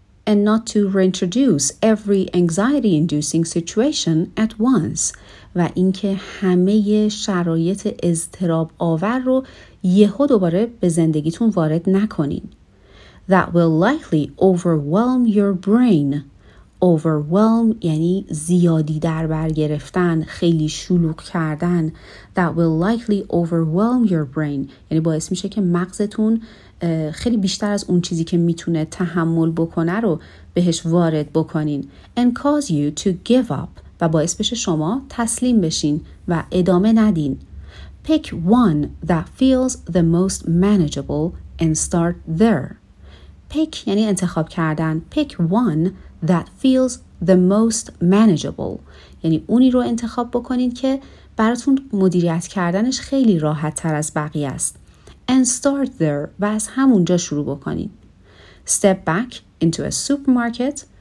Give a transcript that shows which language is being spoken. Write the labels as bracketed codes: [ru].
[en] And not to reintroduce every anxiety inducing situation at once. [fa] و اینکه همه شرایط اضطراب آور رو یهو دوباره به زندگیتون وارد نکنین. [en] That will likely overwhelm your brain. [fa] Overwhelm یعنی زیادی دربر گرفتن، خیلی شلوغ کردن. [en] That will likely overwhelm your brain [fa] یعنی باعث میشه که مغزتون خیلی بیشتر از اون چیزی که میتونه تحمل بکنه رو بهش وارد بکنین. [en] And cause you to give up [fa] و باعث بشه شما تسلیم بشین و ادامه ندین. [en] Pick one that feels the most manageable and start there. [fa] Pick یعنی انتخاب کردن. [en] Pick one that feels the most manageable [fa] یعنی اونی رو انتخاب بکنین که براتون مدیریت کردنش خیلی راحت تر از بقیه است. [en] And start there [fa] و از همونجا شروع بکنین. [en] Step back into a supermarket.